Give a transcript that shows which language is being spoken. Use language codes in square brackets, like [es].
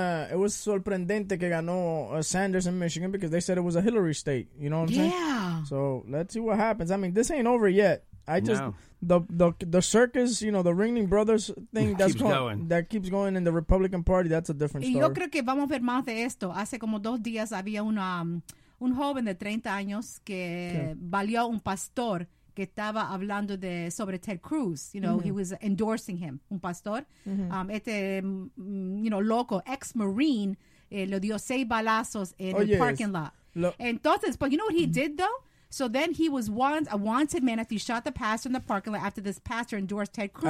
[en] It was [es] sorprendente que ganó [en] Sanders in Michigan because they said it was a Hillary state. You know what I'm saying? Yeah. So let's see what happens. I mean, this ain't over yet. The circus, you know, the Ringling Brothers thing that keeps going in the Republican Party, that's a different story. [es] Yo creo que vamos a ver más de esto. Hace como 2 días había un joven de 30 años que valió un pastor que estaba hablando sobre Ted Cruz. [en] You know, he was endorsing him, [es] un pastor. [en] Mm-hmm. [es] Loco, ex-Marine, le dio 6 balazos [en] in the parking lot. [es] Entonces, [en] but you know what he did, though? So then he was a wanted man after he shot the pastor in the parking lot after this pastor endorsed Ted Cruz.